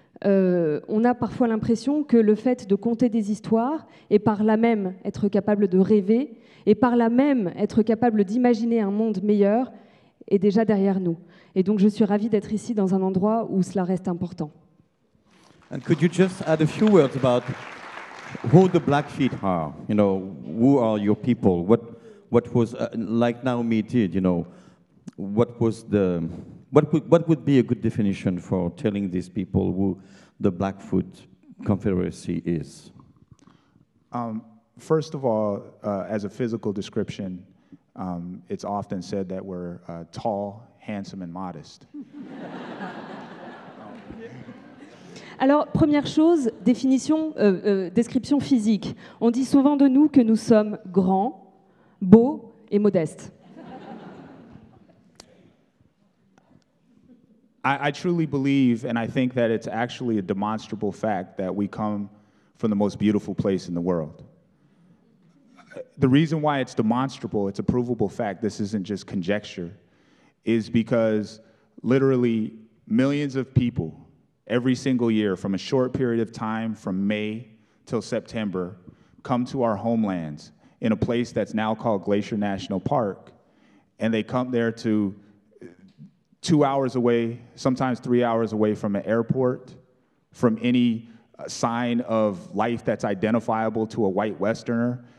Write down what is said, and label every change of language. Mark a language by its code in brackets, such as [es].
[fr] On a parfois l'impression que le fait de conter des histoires et par là même être capable de rêver et par là même être capable d'imaginer un monde meilleur est déjà derrière nous. Et donc je suis ravie d'être ici dans un endroit où cela reste important. [en] And could you just add a few words about who the Blackfeet are? You know, who are your people? What was like Naomi did? You know, what was the what would be a good definition for telling these people who the Blackfoot Confederacy is? First of all, as a physical description, it's often said that we're tall, handsome, and modest. [fr] Alors, première chose, description physique. On dit souvent de nous que nous sommes grands, beaux et modestes. [en] I truly believe, and I think that it's actually a demonstrable fact, that we come from the most beautiful place in the world. The reason why it's demonstrable, it's a provable fact, this isn't just conjecture, is because literally millions of people every single year, from a short period of time, from May till September, come to our homelands in a place that's now called Glacier National Park, and they come there to 2 hours away, sometimes 3 hours away from an airport, from any sign of life that's identifiable to a white Westerner.